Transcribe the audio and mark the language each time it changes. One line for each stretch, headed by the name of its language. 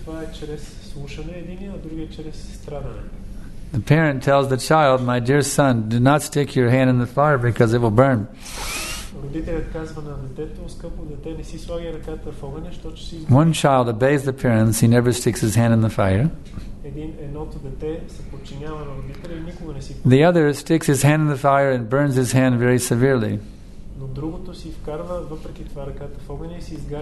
Bulgarian: Това е чрез слушане един, а другия чрез страдане.
English: The parent tells the child, "My dear son, do not stick your hand in the fire because it will burn."
Bulgarian: Родителят казва на детето, скъпо дете, не си слагай ръката в огъня, защото ще си изгориш.
English: One child obeys the parents, he never sticks his hand in the fire.
Bulgarian: Едното дете се подчинява на родителя и никога не си.
English: The other sticks his hand in the fire and burns his hand very severely.
Bulgarian: Но другото си вкарва въпреки това ръката в огъня и си изгаря.